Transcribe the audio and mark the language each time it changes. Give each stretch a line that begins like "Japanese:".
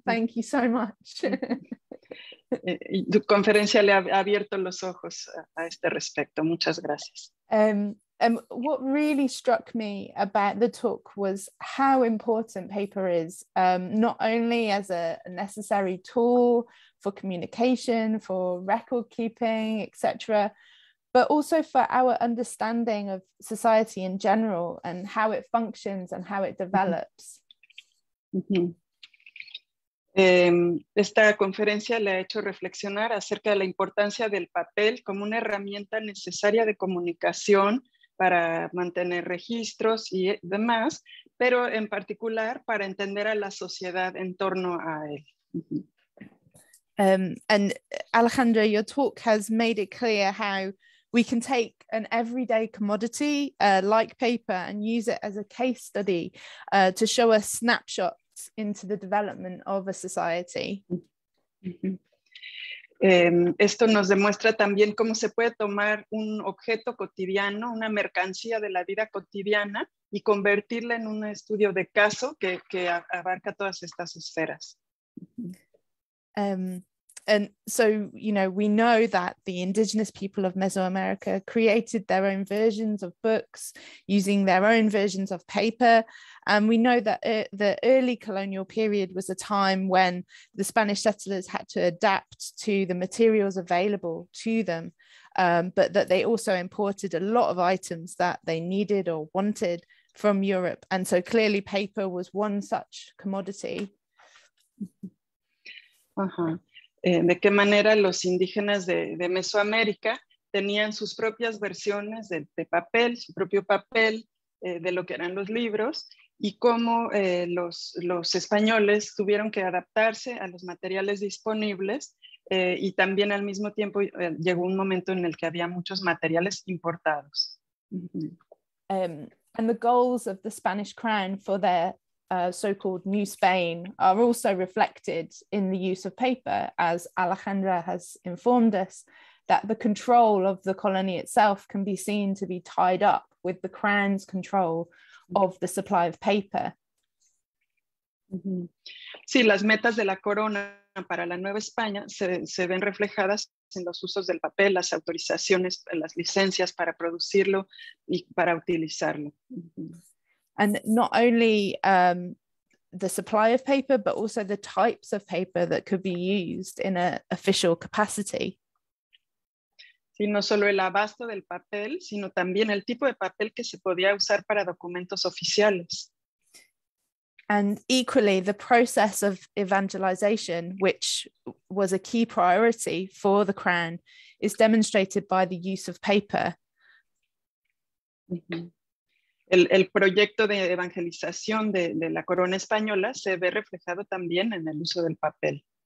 English: Thank you so much.
Spanish: Tu conferencia le ha abierto los ojos a este respecto. Muchas gracias.
English: And what really struck me about the talk was how important paper is, not only as a necessary tool for communication, for record keeping, etc., but also for our understanding of society in general and how it functions and how it develops. Mm-hmm.
Spanish: Esta conferencia le ha hecho reflexionar acerca de la importancia del papel como una herramienta necesaria de comunicación para mantener registros y demás, pero en particular para entender a la sociedad en torno a él.
English: And Alejandra, your talk has made it clear how we can take an everyday commodity like paper and use it as a case study to show us snapshots into the development of a society.
Spanish: Esto nos demuestra también cómo se puede tomar un objeto cotidiano, una mercancía de la vida cotidiana, y convertirla en un estudio de caso que abarca todas estas esferas.
English: And so, you know, we know that the indigenous people of Mesoamerica created their own versions of books using their own versions of paper. And we know that the early colonial period was a time when the Spanish settlers had to adapt to the materials available to them, but that they also imported a lot of items that they needed or wanted from Europe. And so clearly paper was one such commodity. Uh-huh.
Spanish: De qué manera los indígenas de Mesoamérica tenían sus propias versiones de papel, su propio papel, de lo que eran los libros, y cómo los españoles tuvieron que adaptarse a los materiales disponibles, y también al mismo tiempo llegó un momento en el que había muchos materiales importados.
English: And the goals of the Spanish crown for their so-called New Spain are also reflected in the use of paper, as Alejandra has informed us that the control of the colony itself can be seen to be tied up with the crown's control of the supply of paper. Mm-hmm.
Spanish: Sí, las metas de la corona para la Nueva España se ven reflejadas en los usos del papel, las autorizaciones, las licencias para producirlo y para utilizarlo. Mm-hmm.
English: And not only the supply of paper, but also the types of paper that could be used in an official capacity.
Spanish: Sí, no solo el abasto del papel, sino también el tipo de papel que se podía usar para documentos oficiales.
English: And equally, the process of evangelization, which was a key priority for the crown, is demonstrated by the use of paper. Mm-hmm.
Spanish: El proyecto de evangelización de la corona española se ve reflejado también en el uso del papel.